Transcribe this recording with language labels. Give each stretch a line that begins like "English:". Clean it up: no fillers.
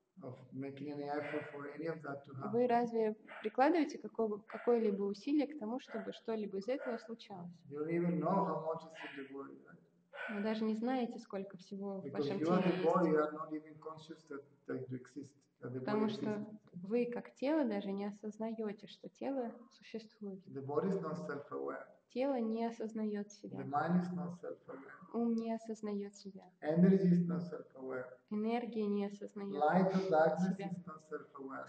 English: Of making any effort for any of that to happen.
Russian: Вы разве прикладываете какое-либо усилие к тому, чтобы что-либо из этого случалось?
English: You don't even know how much is in the body, right?
Russian: Вы даже не знаете, сколько всего в вашем есть.
English: Because you are the body, you are not even conscious that you exist.
Russian: Потому что вы как тело даже не осознаете, что тело существует.
English: The body is not self-aware.
Russian: Тело не осознает себя.
English: The mind is not self-aware.
Russian: Ум не осознает себя.
English: Energy is not self-aware.
Russian: Энергия не осознает
English: Light
Russian: себя.
English: Light or darkness is not self-aware.